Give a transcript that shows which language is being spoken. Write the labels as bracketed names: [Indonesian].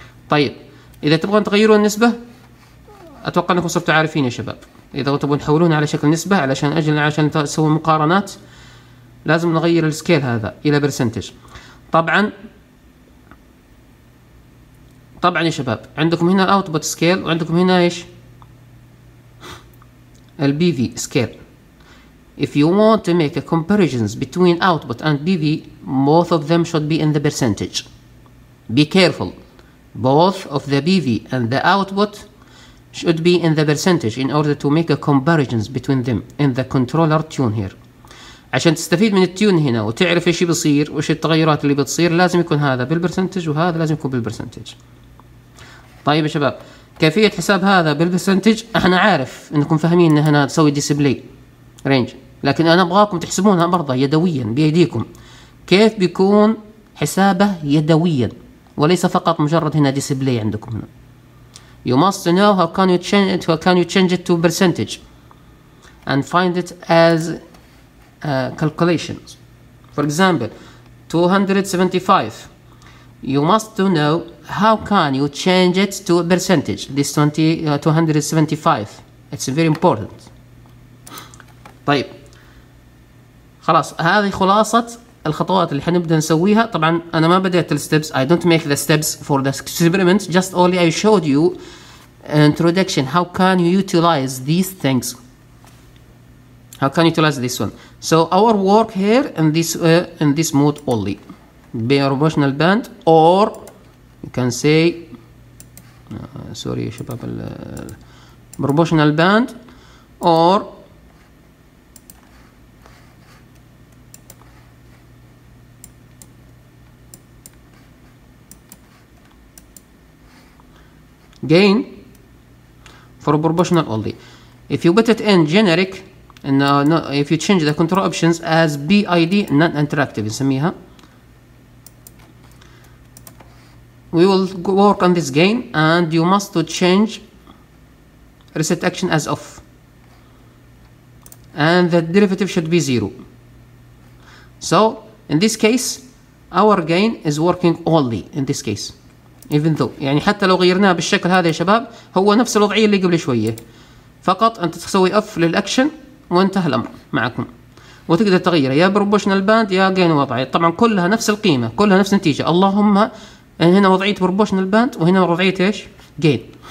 [Arabic] طيب اذا تبغون تغيرون النسبه اتوقع انكم صرتوا عارفين يا شباب, اذا تبغون تحولونها على شكل نسبه علشان اجل عشان تسوون مقارنات لازم نغير السكيل هذا إلى برسنتج. طبعا يا شباب عندكم هنا الاوتبوت سكيل وعندكم هنا ايش البي في سكيل. [English] If you want to make a comparisons between output and PV, both of them should be in the percentage. Be careful. Both of the PV and the output should be in the percentage in order to make a comparisons between them in the controller tune here. [Arabic] عشان تستفيد من التيون هنا وتعرف ايش بيصير وايش التغيرات اللي بتصير لازم يكون هذا بالبرسنتج وهذا لازم يكون بالبرسنتج. طيب يا شباب كيفية حساب هذا بالبرسنتج احنا عارف انكم فاهمين ان احنا نسوي ديسبلاي رينج لكن انا ابغاكم تحسبونها برضه يدويا بايديكم كيف بيكون حسابه يدويا وليس فقط مجرد هنا ديسبلاي عندكم هنا. [English] You must know how can you change it, to percentage and find it as calculations. For example 275 you must know how can you change it to a percentage this 275 it's very important. [Arabic] طيب خلاص هذه خلاصة الخطوات اللي حنبدأ نسويها. طبعا أنا ما بديت الستبس [English] I don't make the steps for the experiment just only I showed you an introduction how can you utilize these things how can you utilize this one. So our work here in this mode only be a proportional band or you can say sorry شباب proportional band or gain for proportional only. If you put it in generic and if you change the control options as BID non-interactive نسميها we will work on this gain and you must change reset action as off and the derivative should be zero. So in this case our gain is working only in this case even though [Arabic] يعني حتى لو غيرناه بالشكل هذا يا شباب هو نفس الوضعية اللي قبل شوية فقط انت تسوي اف للاكشن وانتهى الامر معكم وتقدر تغيره يا بروبوشنال باند يا جين وضعي طبعا كلها نفس القيمة كلها نفس النتيجة اللهم يعني هنا وضعية بروبوشنال باند وهنا وضعية ايش جين.